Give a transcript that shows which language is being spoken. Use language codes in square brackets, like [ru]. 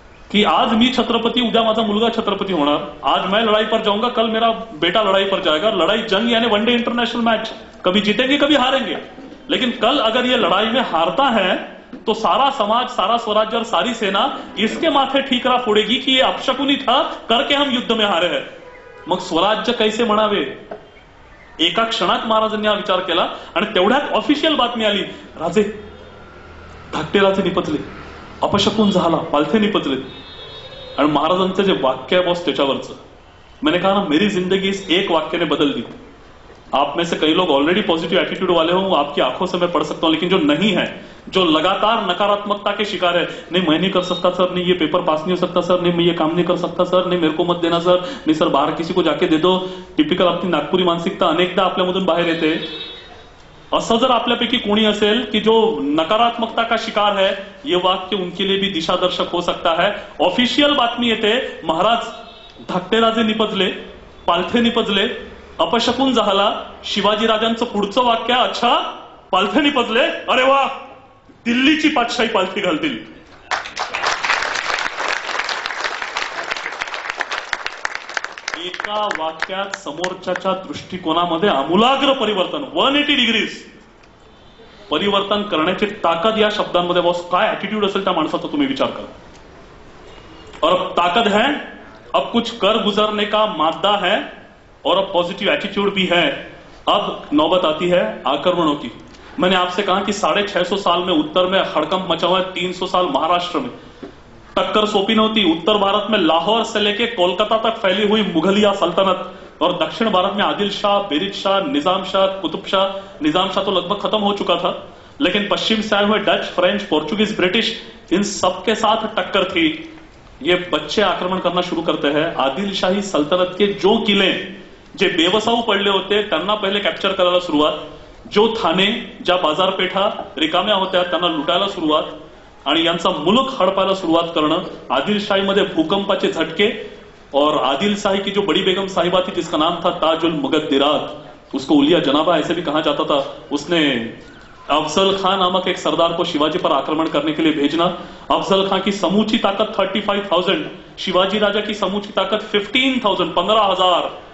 [mr] की आज मी छत्रपती, उद्या माझा मुलगा छत्रपती होणार, [hi] आज मैं लड़ाई पर जाऊंगा, कल मेरा बेटा लड़ाई पर जाएगा, लड़ाई जंग यानी वनडे इंटरनेशनल मैच, कभी जीतेंगे कभी हारेंगे, लेकिन कल अगर ये लड़ाई में हारता है तो सारा समाज, सारा स्वराज्य और सारी सेना इसके माथे ठीकरा फोड़ेगी कि ये अपशकुनी था, करके हम युद्ध में हारे हैं, मग स्वराज्य कैसे मनावे। [mr] एका क्षणात महाराजांनी हा विचार केला आणि तेवढ्यात ऑफिशियल बातमी आली, राजे धाकटे राजे निपजले, अपशकुन झाला, पालथे निपजले। आणि महाराजांचं जे वाक्य आहे बॉस त्याच्यावरच, [hi] मैंने कहा ना मेरी जिंदगी इस एक वाक्य ने बदल दी। आप में से कई लोग ऑलरेडी पॉजिटिव एटीट्यूड वाले हो, आपकी आंखों से मैं पढ़ सकता हूं, लेकिन जो नहीं है, जो लगातार नकारात्मकता के शिकार है, नहीं मैं नहीं कर सकता सर, नहीं ये पेपर पास नहीं हो सकता सर, नहीं मैं ये काम नहीं कर सकता सर, नहीं मेरे को मत देना सर, नहीं सर बाहर किसी को जाके दे दो, टिपिकल आपकी नागपुरी [mr] मानसिकता अनेकदा आपल्यामधून बाहेर येते। असं जर आपल्यापैकी कोणी असेल [hi] की जो नकारात्मकता का शिकार है, ये वाक्य उनके लिए भी दिशादर्शक हो सकता है। [mr] ऑफिशियल बातमी येते, महाराज धाकटे राजे निपजले, पालथे निपजले, अपशकुन झाला। शिवाजी राजांचं पुढचं वाक्य, अच्छा पालथे निपजले, अरे वा दिल्लीची पातशाही पालथी घालतील। एका वाक्यात समोरच्याच्या दृष्टिकोनामध्ये आमूलाग्र परिवर्तन, 180 degrees परिवर्तन करण्याची ताकद या शब्दांमध्ये। बॉस काय ऍटिट्यूड असेल त्या माणसाचा तुम्ही विचार करा। [hi] और अब ताकद है, अब कुछ कर गुजरने का मादा है, और अब पॉजिटिव एटीट्यूड भी है। अब नौबत आती है आक्रमणों की। मैंने आपसे कहा कि 650 साल में उत्तर में हड़कंप मचा हुआ है, 300 साल महाराष्ट्र में टक्कर सोपी नहीं होती, उत्तर भारत में लाहौर से लेके कोलकाता तक फैली हुई मुगलिया सल्तनत, और दक्षिण भारत में आदिल शाह, बेरिज शाह, निजाम शाह, कुतुब शाह, निजाम शाह तो लगभग खत्म हो चुका था, लेकिन पश्चिम से आए हुए डच, फ्रेंच, पोर्चुगीज, ब्रिटिश, इन सबके साथ टक्कर थी। ये बच्चे आक्रमण करना शुरू करते हैं, आदिल शाही सल्तनत के जो किले [mr] जे बेवसाऊ पडले होते त्यांना पहिले कॅप्चर करायला सुरुवात, जो थाने ज्या बाजारपेठा रिकाम्या होत्या त्यांना लुटायला सुरुवात, आणि यांचा मुलुख हडपायला सुरुवात करणं। आदिलशाहीमध्ये भूकंपाचे झटके, [hi] और आदिलशाही की जो बड़ी बेगम साहिबा थी जिसका नाम था ताजुल मगध दिरात, उसको उलिया जनाबा ऐसे भी कहा जाता था, उसने अफजल खान नामक एक सरदार को शिवाजी पर आक्रमण करने के लिए भेजना। अफजल खान की समूची ताकत 35,000, शिवाजी राजा की समूची ताकत 15,000।